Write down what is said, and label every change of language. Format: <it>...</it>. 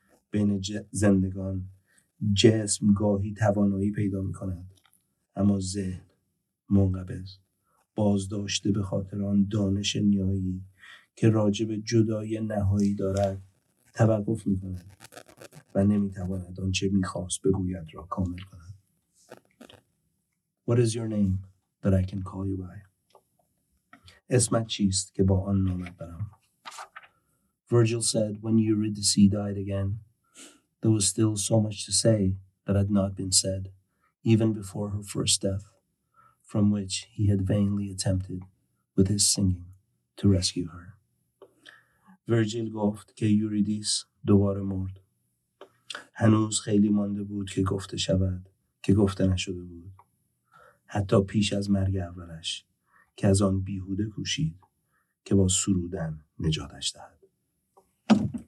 <fa>بین زندگان جسم گاهی توانایی پیدا می‌کند، اما ذهن منقبض، بازداشته به خاطر آن دانش نهایی که راجب جدای نهایی دارد توقف می‌کند و نمی‌تواند آنچه می‌خواست بگوید را کامل کند.</fa> <en>What is your name that I can call you by?</en> <fa>اسمت چیست که با آن نامت برم؟</fa> <en>Virgil said when Eurydice died again, there was still so much to say that had not been said, even before her first death. From which he had vainly attempted with his singing to rescue her.</en> <fa>ورجیل گفت که یوریدیس دوباره مرد. هنوز خیلی مانده بود که گفته شود که گفته نشده بود. حتی پیش از مرگ اولش که از آن بیهوده کوشید که با سرودن نجاتش دهد.</fa>